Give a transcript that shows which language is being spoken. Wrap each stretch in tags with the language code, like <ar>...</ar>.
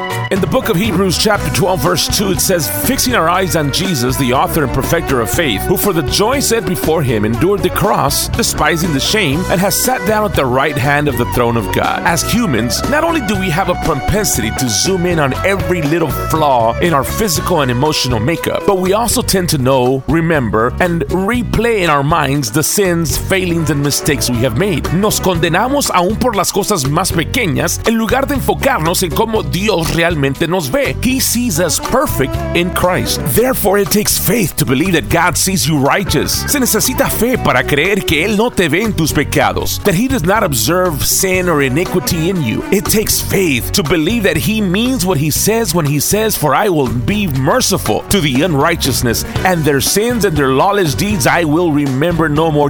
<en>In the book of Hebrews, chapter 12, verse 2, it says, fixing our eyes on Jesus, the author and perfecter of faith, who for the joy set before him endured the cross, despising the shame, and has sat down at the right hand of the throne of God. As humans, not only do we have a propensity to zoom in on every little flaw in our physical and emotional makeup, but we also tend to know, remember, and replay in our minds the sins, failings, and mistakes we have made.</en> <es>Nos condenamos aún por las cosas más pequeñas en lugar de enfocarnos en cómo Dios realmente nos ve.</es> <en>He sees us perfect in Christ. Therefore, it takes faith to believe that God sees you righteous.</en> <es>Se necesita fe para creer que Él no te ve en tus pecados,</es> <en>that He does not observe sin or iniquity in you. It takes faith to believe that He means what He says when He says, for I will be merciful to the unrighteousness, and their sins and their lawless deeds I will remember no more.</en>